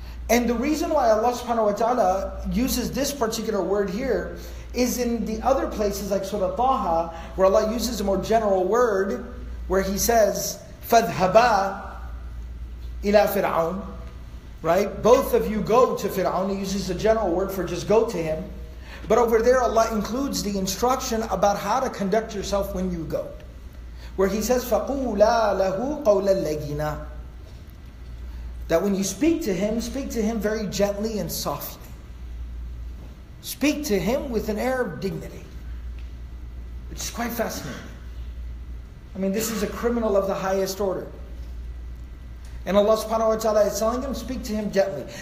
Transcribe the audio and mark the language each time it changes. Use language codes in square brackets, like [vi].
[en] And the reason why Allah subhanahu wa ta'ala uses this particular word here is in the other places like Surah Taha, where Allah uses a more general word, where He says, [ar] فَذْهَبَا إِلَى فِرْعَوْنَ. [en] Right? Both of you go to Fir'aun. He uses a general word for just go to him. But over there Allah includes the instruction about how to conduct yourself when you go. Where He says, [ar] فَقُولَا لَهُ قَوْلَ اللَّيِّنَا. [en] That when you speak to him very gently and softly. Speak to him with an air of dignity. Which is quite fascinating. I mean, this is a criminal of the highest order. And Allah subhanahu wa ta'ala is telling him, speak to him gently.